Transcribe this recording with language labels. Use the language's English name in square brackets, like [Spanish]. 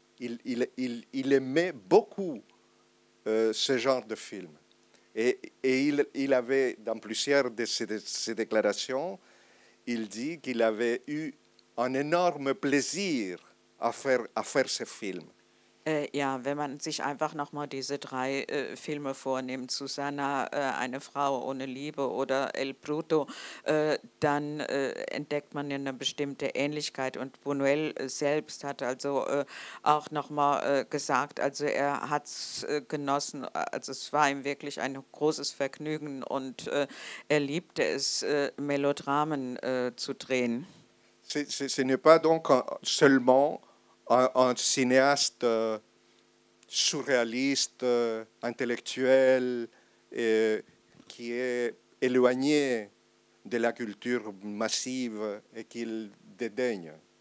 [French] Il aimait beaucoup ce genre de film. Et il avait, dans plusieurs de ses déclarations, il dit qu'il avait eu un énorme plaisir à faire ce film. [German] Ja, wenn man sich einfach noch mal diese drei Filme vornimmt, Susanna, eine Frau ohne Liebe oder El Bruto, dann entdeckt man ja eine bestimmte Ähnlichkeit. Und Buñuel selbst hat also auch noch mal gesagt, also er hat es genossen, also es war ihm wirklich ein großes Vergnügen und er liebte es, Melodramen zu drehen. [French] Ce n'est pas donc seulement un cinéaste surréaliste, intellectuel, qui est éloigné de la culture massive et qu'il dédaigne.